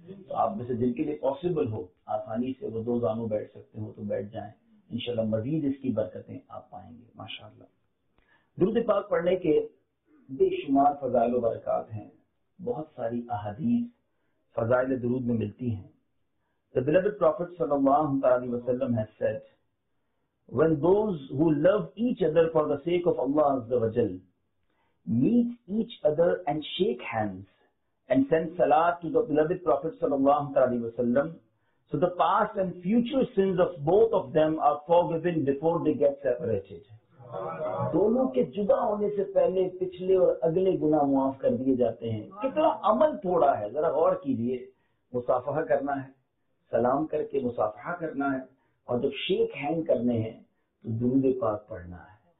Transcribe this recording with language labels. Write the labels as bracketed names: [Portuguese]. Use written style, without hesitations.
[Urdu] تو آپ میں سے جن کے لیے پاسبل ہو, آسانی سے وہ دو زانگوں بیٹھ سکتے ہو تو بیٹھ جائیں, انشاءاللہ مزید اس کی برکتیں آپ پائیں گے ماشاءاللہ. درود پاک پڑھنے کے بے شمار فضائل و برکات ہیں. بہت ساری احادیث فضائل درود میں ملتی ہیں. [English] The beloved Prophet صلی اللہ علیہ وسلم has said, when those who love each other for the sake of Allah عز و جل meet each other and shake hands and send salat to the beloved Prophet صلی اللہ علیہ وسلم, so the past and future sins of both of them are forgiven before they get separated. [Urdu] دونوں کے جدا ہونے سے پہلے پچھلے اور اگلے گناہ معاف کر دیے جاتے ہیں. کتنا عمل تھوڑا ہے ذرا غور کیجیے. مصافحہ کرنا ہے, سلام کر کے مصافحہ کرنا ہے, اور جب شیک ہینگ کرنے ہیں تو درود پاک پڑھنا ہے.